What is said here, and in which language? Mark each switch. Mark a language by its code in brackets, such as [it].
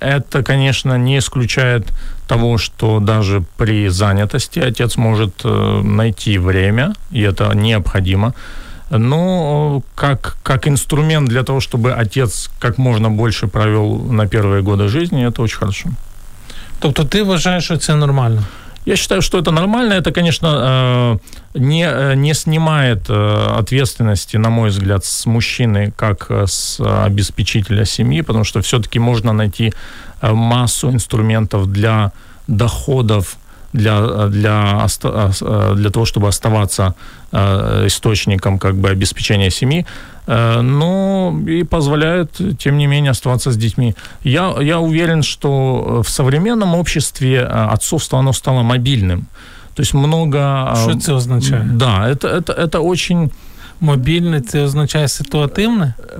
[ru] Это, конечно, не исключает того, что даже при занятости отец может найти время, и это необходимо. Но как инструмент для того, чтобы отец как можно больше провел на первые годы жизни, это очень хорошо. [uk] Тобто ти вважаєш, що це нормально? Я вважаю, що це нормально. Це, звісно, не знімає відповідальності, [ru] на мій взгляд, з мужчини, [uk] як з [ru] обеспечителя [uk] сім'ї, тому що все-таки можна знайти масу інструментів для доходів, для того, щоб залишатися [ru] істочником обеспечення [uk] сім'ї. [ru] Но и позволяет, тем не менее, оставаться с детьми. Я уверен, что в современном обществе отцовство, оно стало мобильным. То есть много... Что это означает? Да, это очень... Мобильный, это означает ситуативный?